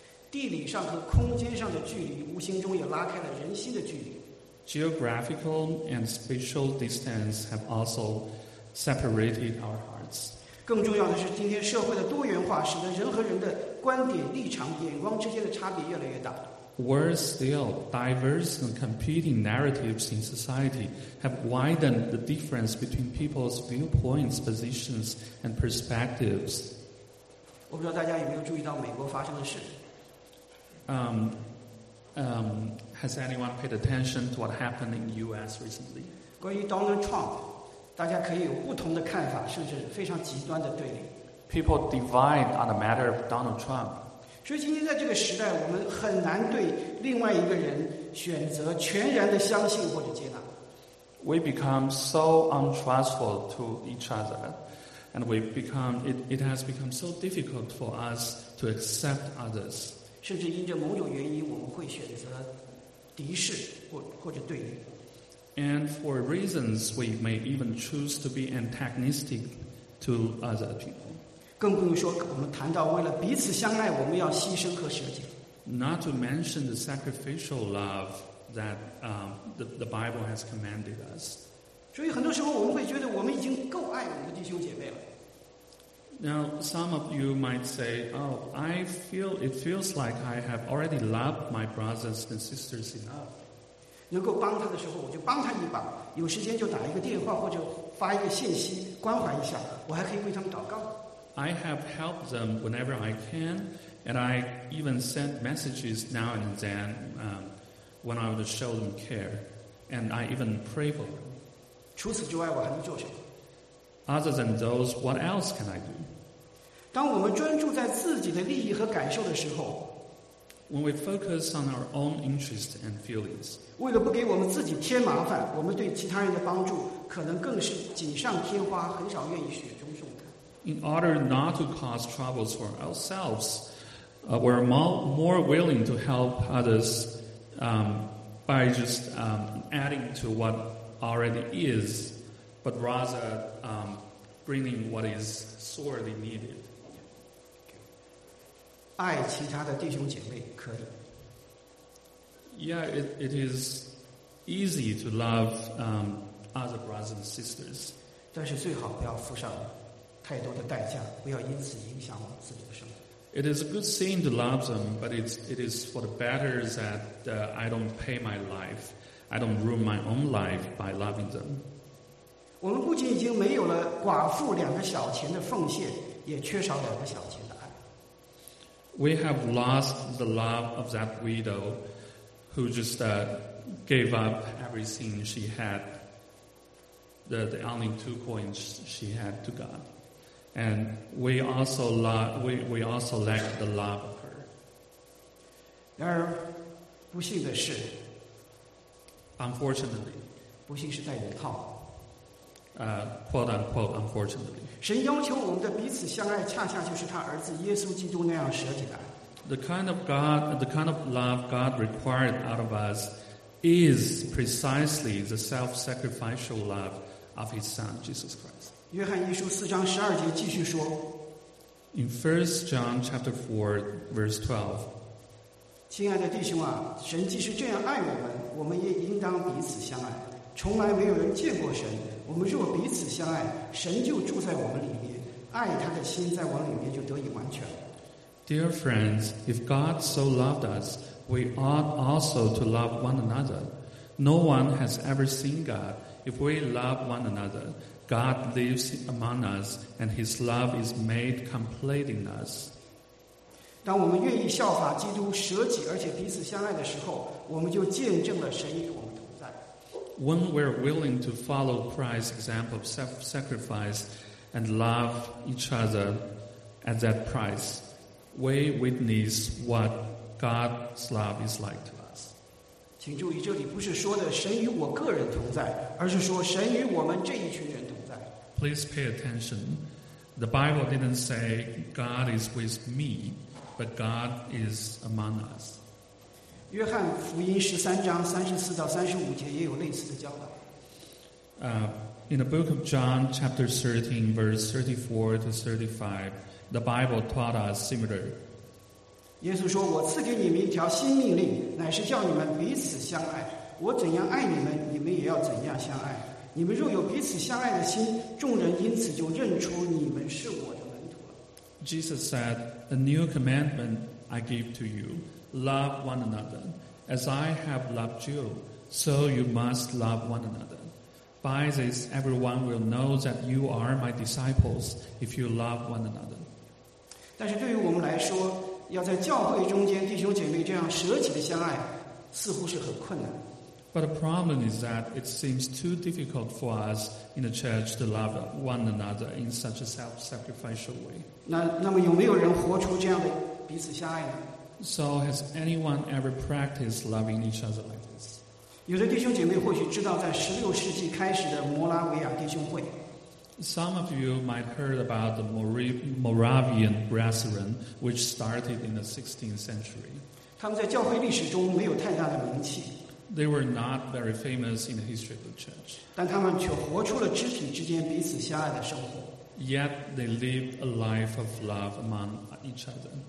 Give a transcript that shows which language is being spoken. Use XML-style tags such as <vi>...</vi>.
<zh>地理上和空间上的距离，无形中也拉开了人心的距离。</zh> <en>Geographical and spatial distance have also separated our hearts.</en> <zh>更重要的是，今天社会的多元化使得人和人的观点、立场、眼光之间的差别越来越大。</zh> <en>Worse still, diverse and competing narratives in society have widened the difference between people's viewpoints, positions, and perspectives.</en> <zh>我不知道大家有没有注意到美国发生的事。</zh> <en>Has anyone paid attention to what happened in U.S. recently?</en> <zh>关于 Donald Trump。大家可以有不同的看法，甚至非常极端的对立。</zh> <en>people divide on the matter of Donald Trump.</en> <zh>所以今天在这个时代，我们很难对另外一个人选择全然的相信或者接纳。</zh> <en>We become so untrustful to each other, and it has become so difficult for us to accept others.</en> <zh>甚至因着某种原因，我们会选择敌视或者对立。</zh> <en>And for reasons, we may even choose to be antagonistic to other people.</en> <zh>更不用说我们谈到为了彼此相爱，我们要牺牲和舍己。</zh> <en>Not to mention the sacrificial love that the Bible has commanded us.</en> <zh>所以很多时候我们会觉得我们已经够爱我们的弟兄姐妹了。</zh> <en>Now, some of you might say, "Oh, it feels like I have already loved my brothers and sisters enough."</en> <zh>能够帮他的时候，我就帮他一把。有时间就打一个电话或者发一个信息，关怀一下。我还可以为他们祷告。</zh> <en>I have helped them whenever I can, and I even send messages now and then when I would show them care, and I even pray for them.</en> <zh>除此之外，我还能做什么？</zh> <en>Other than those, what else can I do?</en> <zh>当我们专注在自己的利益和感受的时候，</zh> <en>when we focus on our own interests and feelings,</en> <zh>为了不给我们自己添麻烦，我们对其他人的帮助可能更是锦上添花，很少愿意雪中送炭。</zh> <en>In order not to cause troubles for ourselves, we're more willing to help others by just adding to what already is. But rather bringing what is sorely needed.</en> <zh>爱其他的弟兄姐妹可以。</zh> <en>Yeah, it is easy to love other brothers and sisters.</en> <zh>但是最好不要付上太多的代价，不要因此影响我自己的生活。</zh> <en>It is a good thing to love them, but it is for the better that I don't pay my life, I don't ruin my own life by loving them.</en> <zh>我们不仅已经没有了寡妇两个小钱的奉献，也缺少两个小钱的爱。</zh> <en>We have lost the love of that widow who just gave up everything she had, the only two coins she had to God. And we also lack the love of her.</en> <zh>然而，不幸的是</zh> <en>，Unfortunately，</en> <zh>不幸是带引号。</zh> <en>Quote unquote, unfortunately.</en> <zh>神要求我们的彼此相爱，恰恰就是他儿子耶稣基督那样舍己的爱。</zh> <en>The kind of love God required out of us is precisely the self-sacrificial love of His Son, Jesus Christ.</en> <zh>约翰一书四章十二节继续说。</zh> <en>In 1 John chapter 4, verse 12.</en> <zh>亲爱的弟兄啊，神既是这样爱我们，我们也应当彼此相爱。从来没有人见过神。我们若彼此相爱，神就住在我们里面，爱他的心在我们里面就得以完全。</zh> <en>Dear friends, if God so loved us, we ought also to love one another. No one has ever seen God. If we love one another, God lives among us, and His love is made complete in us.</en> <zh>当我们愿意效法基督，舍己而且彼此相爱的时候，我们就见证了神与我们。</zh> <en>When we're willing to follow Christ's example of self-sacrifice and love each other at that price, we witness what God's love is like to us.</en> <zh>请注意，这里不是说的神与我个人同在，而是说神与我们这一群人同在。</zh> <en>Please pay attention. The Bible didn't say God is with me, but God is among us.</en> <zh>约翰福音十三章三十四到三十五节也有类似的教导。</zh> <en>In the book of John, chapter 13, verse 34 to 35, the Bible taught us similar.</en> <zh>耶稣说：“我赐给你们一条新命令，乃是叫你们彼此相爱。我怎样爱你们，你们也要怎样相爱。你们若有彼此相爱的心，众人因此就认出你们是我的门徒了。”</zh> <en>Jesus said, "A new commandment I give to you." Love one another. As I have loved you, so you must love one another. By this, everyone will know that you are my disciples if you love one another.</en> <zh>但是对于我们来说，要在教会中间弟兄姐妹这样舍己的相爱，似乎是很困难。</zh> <en>But the problem is that it seems too difficult for us in the church to love one another in such a self-sacrificial way.</en> <zh>那么有没有人活出这样的彼此相爱呢？</zh> <en>So has anyone ever practiced loving each other like this?</en> <zh>有的弟兄姐妹或许知道在16世纪开始的摩拉维亚弟兄会。</zh> <en>Some of you might heard about the Moravian Brethren, which started in the 16th century.</en> <zh>他们在教会历史中没有太大的名气。</zh> <en>They were not very famous in the history of the church.</en> <zh>但他们却活出了肢体之间彼此相爱的生活。</zh> <en>Yet they lived a life of love among each other.</en>